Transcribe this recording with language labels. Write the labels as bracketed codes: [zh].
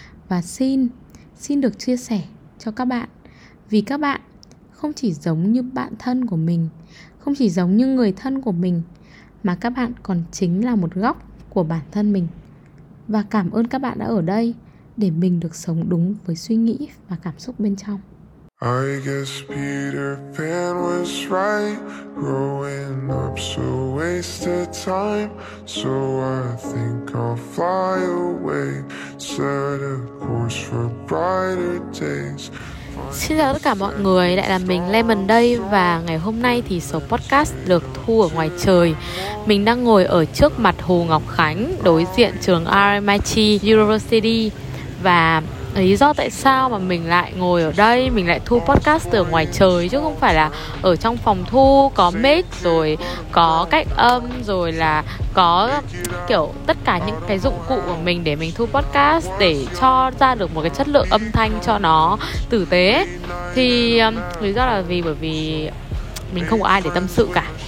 [vi] Và xin được chia sẻ cho các bạn, vì các bạn không chỉ giống như bạn thân của mình, không chỉ giống như người thân của mình, mà các bạn còn chính là một góc của bản thân mình. Và cảm ơn các bạn đã ở đây để mình được sống đúng với suy nghĩ và cảm xúc bên trong. [en] I guess Peter Pan was right, growing up's a waste of time, so I think I'll fly away, set a course for brighter days. [vi] Xin chào tất cả mọi người, lại là mình Lemon đây. Và ngày hôm nay thì số podcast được thu ở ngoài trời. Mình đang ngồi ở trước mặt Hồ Ngọc Khánh, đối diện trường RMIT University. Và lý do tại sao mà mình lại ngồi ở đây, mình lại thu podcast từ ngoài trời chứ không phải là ở trong phòng thu có mic rồi có cách âm rồi là có kiểu tất cả những cái dụng cụ của mình để mình thu podcast để cho ra được một cái chất lượng âm thanh cho nó tử tế, thì lý do là vì bởi vì mình không có ai để tâm sự cả.